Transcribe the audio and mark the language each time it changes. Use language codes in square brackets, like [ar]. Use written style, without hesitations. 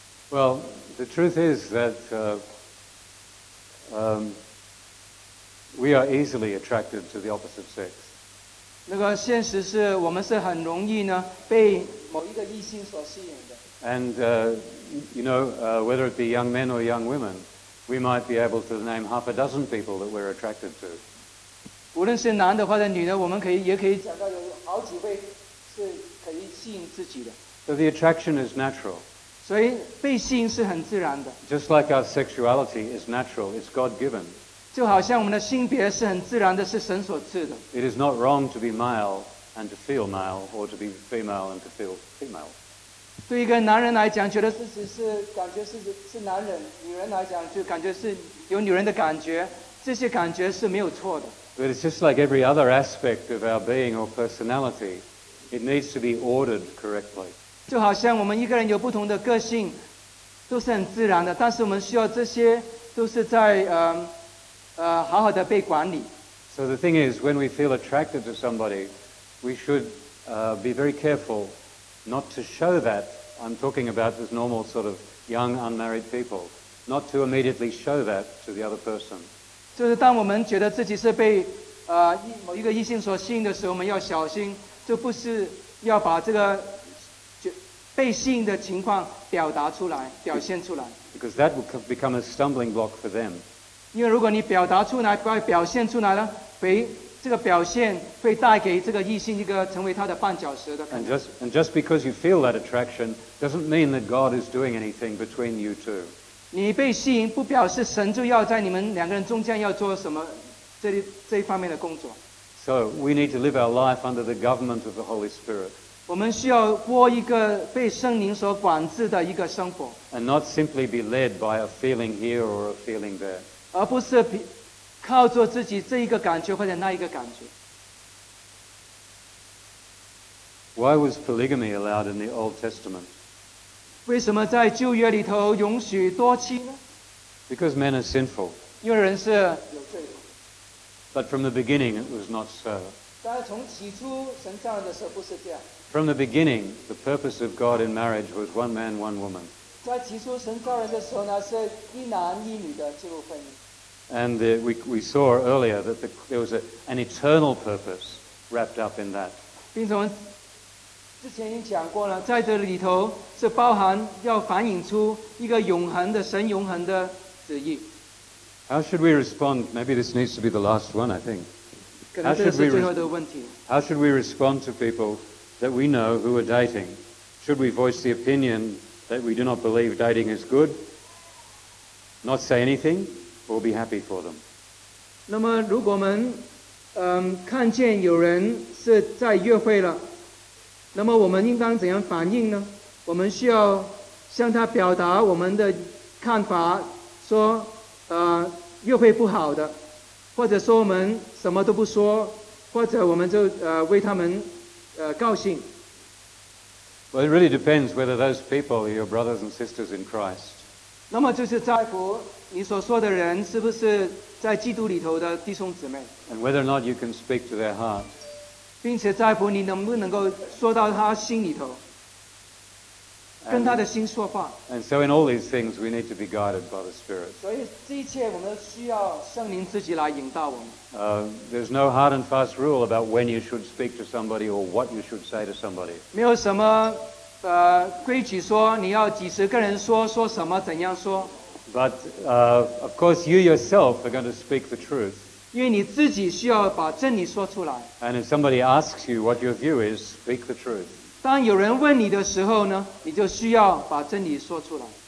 [en] Well, the truth is that we are easily attracted to the opposite sex. [zh] 那个现实是我们是很容易呢被某一个异性所吸引的。 [en] And you know, whether it be young men or young women, we might be able to name half a dozen people that we're attracted to. [zh] 无论是男的或者女的，我们可以也可以讲到有好几位是可以吸引自己的。 [en] So the attraction is natural. [zh] 所以被吸引是很自然的。 [en] Just like our sexuality is natural, it's God-given. [zh] 就好像我们的性别是很自然的，是神所赐的。 [en] It is not wrong to be male and to feel male, or to be female and to feel female. [zh] 对一个男人来讲，觉得自己是感觉是男人；女人来讲，就感觉是有女人的感觉。这些感觉是没有错的。 [en] But it's just like every other aspect of our being or personality, it needs to be ordered correctly. [zh] 就好像我们一个人有不同的个性，都是很自然的，但是我们需要这些都是在好好的被管理。 [en] So the thing is, when we feel attracted to somebody, we should be very careful not to show that. I'm talking about this normal sort of young unmarried people, not to immediately show that to the other person. [zh] 就是当我们觉得自己是被某一个异性所吸引的时候，我们要小心，就不是要把这个被吸引的情况表达出来、表现出来。 [en] Because that will become a stumbling block for them. [zh] 因为如果你表达出来、表现出来了，这个表现会带给这个异性一个成为他的绊脚石的。 [en] And just because you feel that attraction doesn't mean that God is doing anything between you two. [zh] 你被吸引不表示神就要在你们两个人中间要做什么 这一方面的工作。 [en] So we need to live our life under the government of the Holy Spirit. [zh] 我们需要过一个被圣灵所管制的一个生活。 [en] And not simply be led by a feeling here or a feeling there. [zh] 而不是靠着自己这一个感觉或者那一个感觉。 [en] Why was polygamy allowed in the Old Testament? [zh] 为什么在旧约里头允许多妻呢？ [en] Because men are sinful. [zh] 因为人是有罪的。 [en] But from the beginning it was not so. [zh] 但是从起初神造人的时候不是这样。 [en] From the beginning, the purpose of God in marriage was one man, one woman. [zh] 在起初神造人的时候呢，是一男一女的进入婚姻。 [en] And we saw earlier that there was an eternal purpose wrapped up in that. [zh] 并且我们之前已经讲过了，在这里头是包含要反映出一个永恒的神永恒的旨意。 [en] How should we respond? Maybe this needs to be the last one, I think. [zh] 可能这是最后的问题。 [en] How should we respond to people that we know who are dating? Should we voice the opinion that we do not believe dating is good? Not say anything or be happy for them? [zh] 那么如果我们看见有人是在约会了，那么我们应当怎样反应呢？我们需要向他表达我们的看法，说约会不好的，或者说我们什么都不说，或者我们就为他们高兴。 [en] Well, it really depends whether those people are your brothers and sisters in Christ. [zh] 那么就是在乎你所说的人是不是在基督里头的弟兄姊妹。 [en] And whether or not you can speak to their heart. [zh] 并且在乎你能不能够说到他心里头，跟他的心说话。 [en] And so in all these things, we need to be guided by the Spirit. [zh] 所以这一切我们需要圣灵自己来引导我们。 [en] There's no hard and fast rule about when you should speak to somebody or what you should say to somebody. [zh] 没有什么规矩说你要几十个人说说什么怎样说。 [en] But of course, you yourself are going to speak the truth. [zh] 因为你自己需要把真理说出来。 [en] And if somebody asks you what your view is, speak the truth. [zh] 当有人问你的时候呢，你就需要把真理说出来。